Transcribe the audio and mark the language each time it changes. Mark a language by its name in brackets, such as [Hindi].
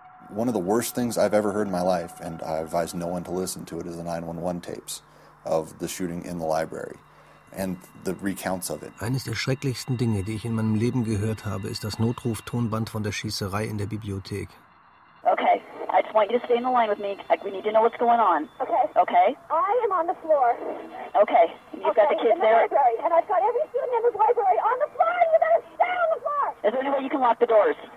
[English] One of the worst things I've ever heard in my life, and I advise no one to listen to it, is the 911 tapes of the shooting in the library. And the recounts of it. [German] Eines der schrecklichsten Dinge, die ich in meinem Leben gehört habe, ist das Notruftonband von der Schießerei in der Bibliothek. [English] Okay, I just want you to stay in the line with me. We need to know what's going on. Okay. Okay. I am on the floor. Okay. You've got the kids there. And I've got every student in the library on the floor. You better stay on the floor. Is there any way you can lock the doors?